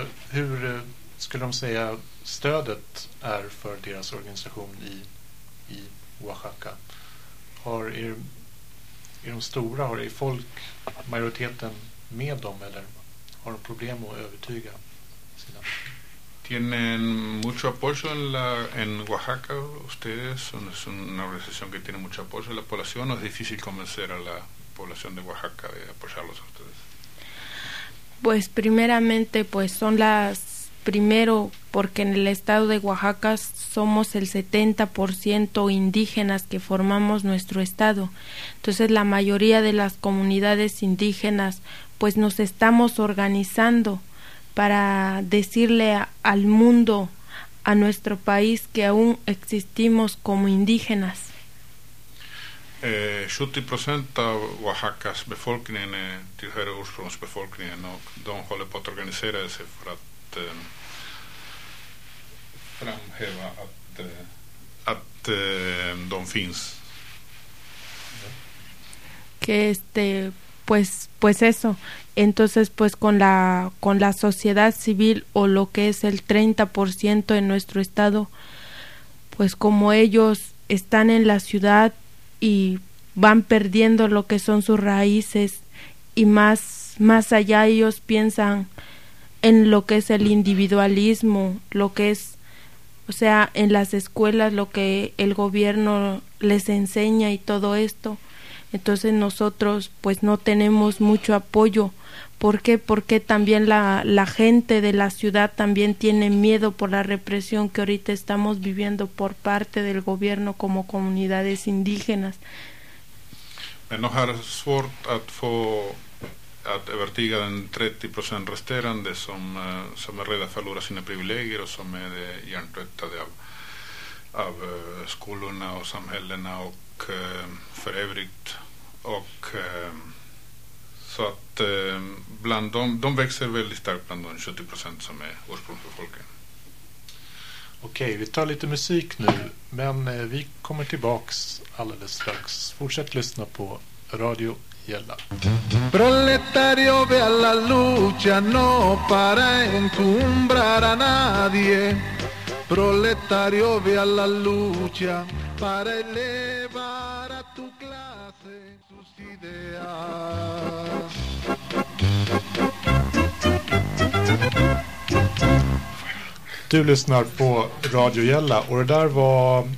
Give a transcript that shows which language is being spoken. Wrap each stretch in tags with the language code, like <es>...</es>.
<sv>Hur skulle de säga stödet är för deras organisation i Oaxaca? Är de stora? Har folk, majoriteten, med dem, eller har de problem att övertyga sina?</sv> <es>Tienen mucho apoyo en Oaxaca. Ustedes son, es una organización que tiene mucho apoyo en la población, ¿o es difícil convencer a la población de Oaxaca de apoyarlos a ustedes? Pues primeramente, pues son las primero, porque en el estado de Oaxaca somos el 70% indígenas que formamos nuestro estado. Entonces la mayoría de las comunidades indígenas, pues nos estamos organizando para decirle al mundo, a nuestro país, que aún existimos como indígenas.</es> <sv>70% av Oaxacas befolkning tillhör ursprungsbefolkningen, och de håller på att organisera sig för att framhäva att de finns.</sv> <es>Que pues eso. Entonces, pues con la sociedad civil, o lo que es el 30% en nuestro estado, pues como ellos están en la ciudad y van perdiendo lo que son sus raíces, y más allá ellos piensan en lo que es el individualismo, lo que es, o sea, en las escuelas, lo que el gobierno les enseña y todo esto. Entonces nosotros, pues, no tenemos mucho apoyo. ¿Por qué? Porque también la gente de la ciudad también tiene miedo por la represión que ahorita estamos viviendo por parte del gobierno como comunidades indígenas.</es> <sv>Men de har svårt att få att övertyga den 30% resterande som är rädda för att förlora sina privilegier, och som är hjärntvättade av skolorna och samhällena och för övrigt. Och så att bland de växer väldigt starkt bland de 70% som är ursprungsbefolkningen. Okej, vi tar lite musik nu, men vi kommer tillbaks alldeles strax. Fortsätt lyssna på Radio Yella.</sv> <es>Proletario, ve a la lucha, no para encumbrar a nadie. Proletario, ve a la lucha para elevar a tu clase sus ideas.</es> <sv>Du lyssnar på Radio Yella, och det där var...</sv>